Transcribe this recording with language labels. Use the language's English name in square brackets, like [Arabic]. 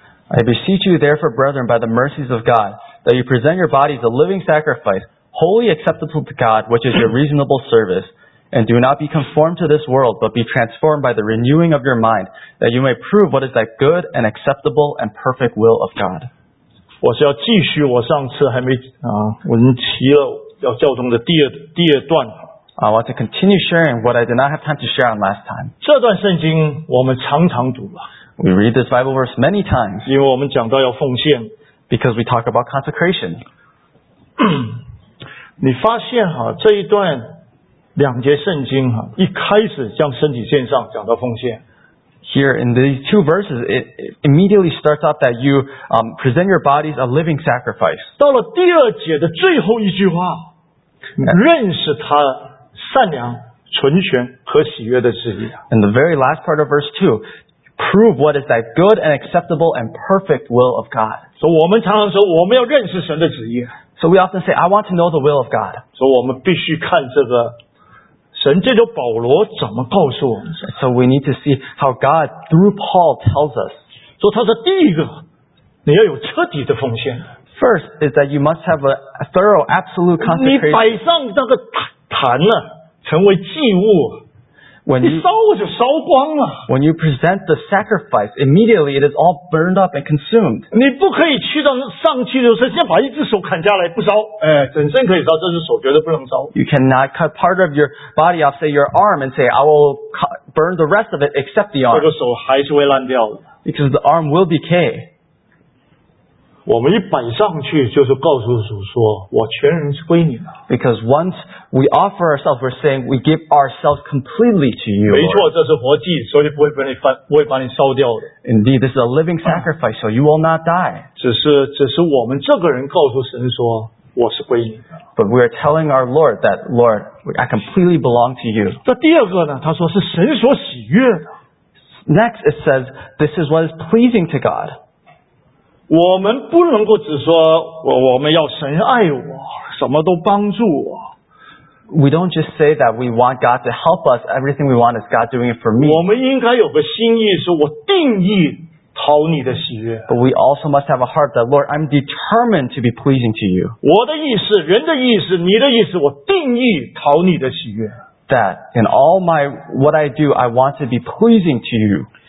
[English] I beseech you therefore, brethren, by the mercies of God, that you present your bodies a living sacrifice, wholly acceptable to God, which is your reasonable service. And do not be conformed to this world, but be transformed by the renewing of your mind, that you may prove what is that good and acceptable and perfect will of God. [Chinese] 我是要继续我上次还没啊，我们提了要教宗的第二段。 [English] I want to continue sharing what I did not have time to share on last time. [Chinese] 这段圣经我们常常读了。 [English] We read this Bible verse many times. [Chinese] 因为我们讲到要奉献。 [English] Because we talk about consecration. [Chinese] 你发现哈，这一段两节圣经哈，一开始将身体献上，讲到奉献。 [English] Here in these two verses, it immediately starts off that you present your bodies a living sacrifice. [Chinese] 到了第二节的最后一句话，认识他善良、纯全和喜悦的旨意。 [English] In the very last part of verse 2, prove what is that good and acceptable and perfect will of God. [Chinese] 所以我们常常说我们要认识神的旨意。 [English] So we often say, I want to know the will of God. [Chinese] 所以我们必须看这个。神借着保罗怎么告诉我们 [English] ？So we need to see how God through Paul tells us. [Chinese] 说他是第一个，你要有彻底的奉献。 [English] First is that you must have a thorough, absolute consecration. [Chinese] 你摆上那个坛了，成为祭物。 [English] When you, [Chinese] 你烧就烧光了。 [English] When you present the sacrifice, immediately it is all burned up and consumed. [Chinese] 你不可以去到上去的时候，先把一只手砍下来不烧。整身可以烧，这只手绝对不能烧。 [English] You cannot cut part of your body off, say your arm, and say, I will burn the rest of it except the arm. [Chinese] 这个手还是会烂掉的。 [English] Because the arm will decay. [Chinese] 我们一摆上去就是告诉主说，我全人是归你的。 [English] Because once we offer ourselves, we're saying we give ourselves completely to you. [Chinese] 没错，这是活祭，所以不会把你烧掉的。 [English] Indeed, this is a living sacrifice, so you will not die. [Chinese] 只是我们这个人告诉神说，我是归你的。 [English] But we are telling our Lord that, Lord, I completely belong to you. [Chinese] 这第二个呢，他说是神所喜悦的。 [English] Next, it says, this is what is pleasing to God. [Chinese] 我们不能够只说 我们要神爱我，什么都帮助我。 [English] We don't just say that we want God to help us. Everything we want is God doing it for me. [Chinese] 我们应该有个心意，是我定义讨你的喜悦。 [English] But we also must have a heart that, Lord, I'm determined to be pleasing to you. [Chinese] 我的意思，人的意思，你的意思，我定义讨你的喜悦。 [English] That in all my what I do, I want to be pleasing to you.